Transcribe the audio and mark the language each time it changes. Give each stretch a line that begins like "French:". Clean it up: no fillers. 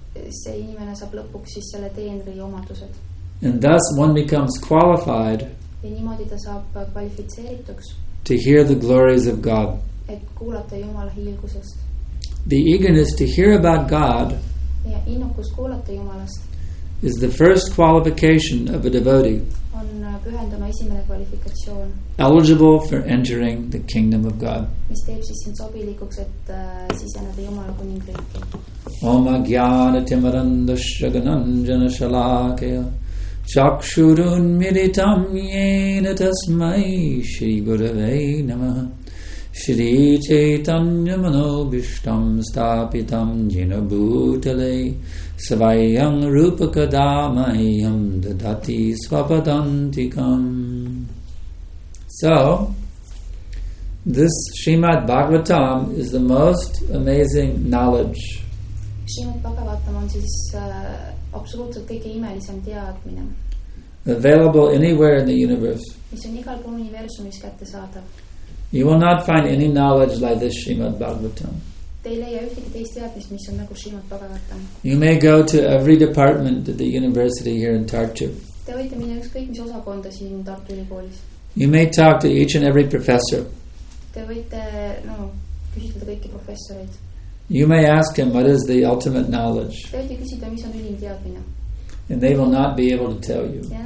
Estonian: See inimene saab lõpuks siis selle teenri omadused.
English: And thus one becomes qualified.
Estonian: Ja niimoodi ta saab kvalifitseerituks.
English: To hear the glories of God.
Estonian: Et kuulata Jumala hiilgusest.
English: The eagerness to hear about God.
Estonian: Ja innukus kuulata Jumalast.
English: Is the first qualification of a devotee.
Estonian: On pühendama esimene kvalifikatsioon.
English: Eligible for entering the kingdom of God.
Estonian: Mis teeb siis sind sobilikuks, et siseneda Jumala kuningriiki.
Sanskrit: Om agyanatim arandashraganan shalakaya chakshurun miritam yena tasmai shri gurave namaha shri chaitanya manobishtam stapitam jena bhutale svayam rupaka damayam dadati svapadantikam.
English: So this Srimad Bhagavatam is the most amazing knowledge.
Estonian: Srimad Bhagavatam on siis absoluutselt kõige imelisem teadmine.
English: Available anywhere in the universe.
Estonian: Mis on igal pool universumis kätte saada.
English: You will not find any knowledge like this Srimad Bhagavatam.
Estonian: Te ei leia ühtegi teist teadmist, mis on nagu Srimad Bhagavatam.
English: You may go to every department at the university here in Tartu.
Estonian: Te võite minna ükskõik mis osakonda siin Tartu ülikoolis.
English: You may talk to each and every professor.
Estonian: Te võite, no, küsitleda kõiki professoreid.
English: You may ask him what is the ultimate knowledge. And they will not be able to tell you.